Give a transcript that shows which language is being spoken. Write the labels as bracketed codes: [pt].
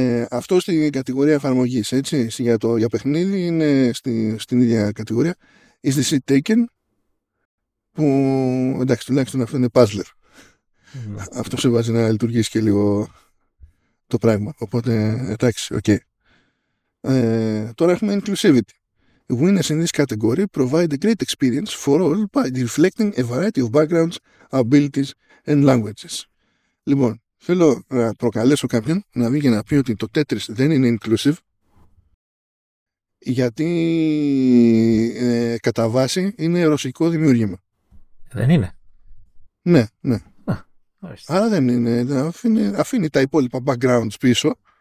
[el] Αυτό στην κατηγορία εφαρμογής, έτσι, για παιχνίδι είναι στην ίδια κατηγορία. [en] «Is the seat taken», [el] που εντάξει, τουλάχιστον αυτό είναι puzzler. Αυτό σε βάζει να λειτουργήσει και λίγο το πράγμα. Οπότε, εντάξει, οκ. Okay. Τώρα έχουμε inclusivity. [en] Winners in this category provide a great experience for all by reflecting a variety of backgrounds, abilities and languages. [el] Λοιπόν, θέλω να προκαλέσω κάποιον να βγει και να πει ότι το Tetris δεν είναι inclusive, γιατί κατά βάση είναι ρωσικό δημιούργημα. Δεν είναι. Ναι, ναι. Άρα δεν είναι, αφήνει τα υπόλοιπα backgrounds πίσω.